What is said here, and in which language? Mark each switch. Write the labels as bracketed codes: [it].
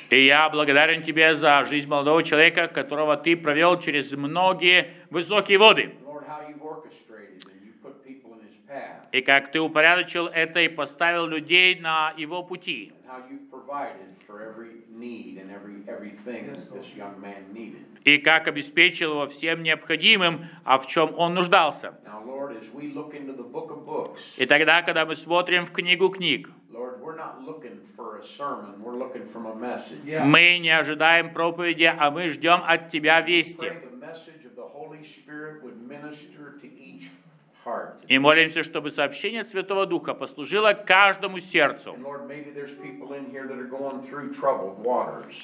[ru] И я благодарен тебе за жизнь молодого человека, которого ты провел через многие высокие воды. [en] Lord, how you've orchestrated and you put people in his path. [ru] И как ты упорядочил это и поставил людей на его пути. [en] And how you've provided for every need and everything that this young man needed. [ru] И как обеспечил его всем необходимым, а в чем он нуждался. [en] Now, Lord, as we look into the book of books, books. [ru] И тогда, когда мы смотрим в книгу книг, [en] Lord, we're not looking for a sermon, we're looking for a message. Yeah. [ru] Мы не ожидаем проповеди, а мы ждем от Тебя вести. [en] We pray the message of the Holy Spirit would minister to each heart. [ru] И молимся, чтобы сообщение Святого Духа послужило каждому сердцу. [en] And Lord, maybe there's people in here that are going through troubled waters.